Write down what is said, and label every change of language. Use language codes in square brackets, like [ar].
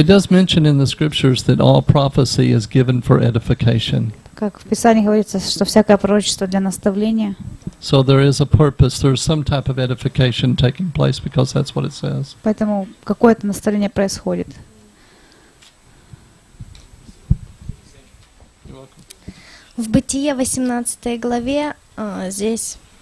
[en] It does mention in the scriptures that all prophecy is given for edification. [ru] Как в Писании говорится, что всякое пророчество для наставления. [en] So there is a purpose, there is some type of edification taking place because that's what it says. [ru] Поэтому какое-то наставление происходит. В Бытие 18 главе, здесь...